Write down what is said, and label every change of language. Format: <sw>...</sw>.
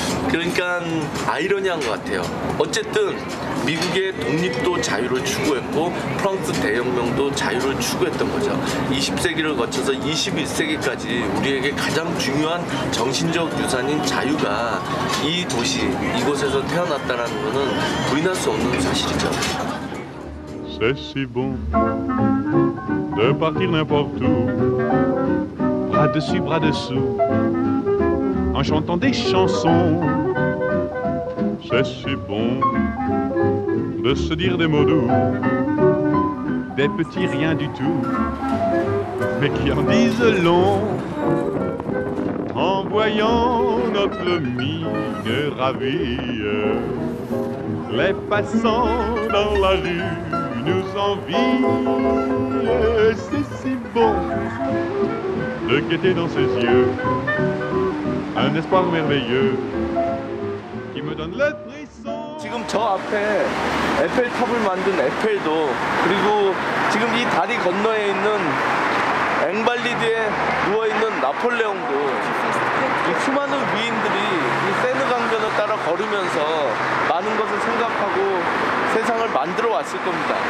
<ko>그러니까 아이러니한 것 같아요. 어쨌든 미국의 독립도 자유를 추구했고 프랑스 대혁명도 자유를 추구했던 거죠. 20세기를 거쳐서 21세기까지 우리에게 가장 중요한 정신적 유산인 자유가 이 도시, 이곳에서 태어났다는 것은 부인할 수 없는 사실이죠.</ko> <fr>C'est si bon de partir n'importe où Bras-dessus, bras-dessous, en chantant des chansons. C'est si bon de se dire des mots doux, des petits rien du tout, mais qui en disent long. En voyant notre mine ravie, les passants dans la rue nous envient. C'est si bon. De guetter dans ses yeux un espoir merveilleux qui me donne le frisson.</fr> <ko>지금 저 앞에 에펠탑을 만든 에펠도 그리고 지금 이 다리 건너에 있는 앵발리드에 누워 있는 나폴레옹도 이 수많은 위인들이 이 세느강변을 따라 걸으면서 많은 것을 생각하고 세상을 만들어 왔을 겁니다.</ko>